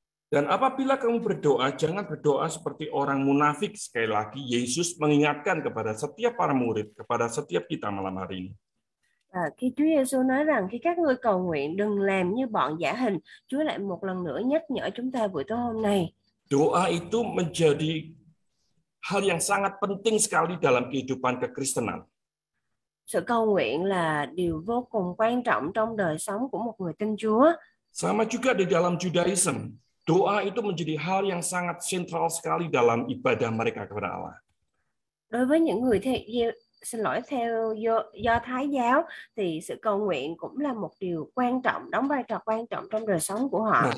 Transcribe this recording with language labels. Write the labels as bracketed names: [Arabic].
[Indonesian] Dan apabila kamu berdoa, jangan berdoa seperti orang munafik. Sekali lagi, Yesus mengingatkan kepada setiap para murid, kepada setiap kita malam hari ini. [Vietnamese] Khi Chúa Giêsu nói rằng khi các ngươi cầu nguyện đừng làm như bọn giả hình, Chúa lại một lần nữa nhắc nhở chúng ta buổi tối hôm nay. [Indonesian] Doa itu menjadi hal yang sangat penting sekali dalam kehidupan kekristenan. [Vietnamese] Sự cầu nguyện là điều vô cùng quan trọng trong đời sống của một người tin Chúa. [Indonesian] Sama juga di dalam Judaism, doa itu menjadi hal yang sangat sentral sekali dalam ibadah mereka kepada Allah. [Vietnamese] Đối với những người theo Do Thái giáo thì sự cầu nguyện cũng là một điều quan trọng, đóng vai trò quan trọng trong đời sống của họ.